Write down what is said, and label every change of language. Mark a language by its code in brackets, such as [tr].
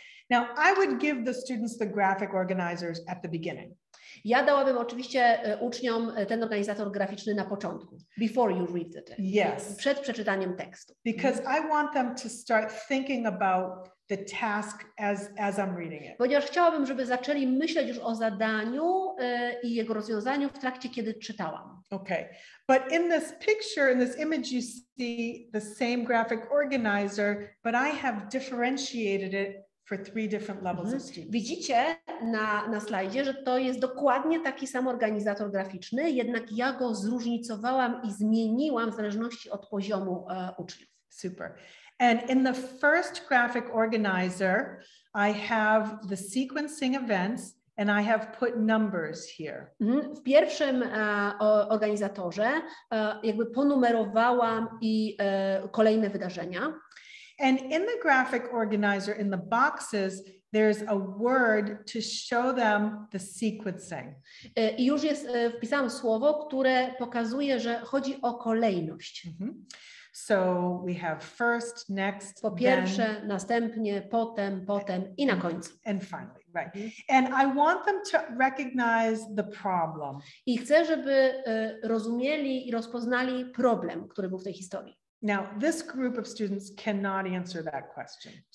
[en] Now, I would give the students the graphic organizers at the beginning. [pl] Ja dałabym oczywiście uczniom ten organizator graficzny na początku, [en] before you read the text. Yes. [pl] Przed przeczytaniem tekstu. [en] Because I want them to start thinking about the task as I'm reading it. [pl] Ponieważ chciałabym, żeby zaczęli myśleć już o zadaniu i jego rozwiązaniu w trakcie, kiedy czytałam. [en] Okay. But in this picture, in this image, you see the same graphic organizer, but I have differentiated it for three different levels of students. [pl] Widzicie na slajdzie, że to jest dokładnie taki sam organizator graficzny, jednak ja go zróżnicowałam i zmieniłam w zależności od poziomu uczniów. [en] Super. And in the first graphic organizer, I have the sequencing events and I have put numbers here. [pl] W pierwszym organizatorze jakby ponumerowałam i kolejne wydarzenia. [en] And in the graphic organizer, in the boxes, there's a word to show them the sequencing. [pl] I już jest, wpisałam słowo, które pokazuje, że chodzi o kolejność. [en] So we have first, next, [pl] po pierwsze, [en] then, [pl] następnie, potem i na końcu. [en] And finally, right. And I want them to recognize the problem. I chcę, żeby rozumieli i rozpoznali problem, który był w tej historii. Now, this group of students cannot answer that question.